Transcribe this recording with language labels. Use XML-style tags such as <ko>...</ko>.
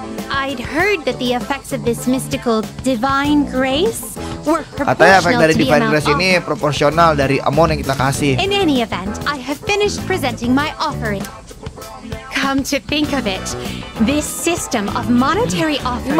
<en>I'd heard that the effects of this mystical divine grace were proportional.</en> <id>Katanya efek dari divine grace ini proporsional dari amount yang kita kasih.</id> <en>In any event, I have finished presenting my offering. Come to think of it, this system of monetary offering.</en>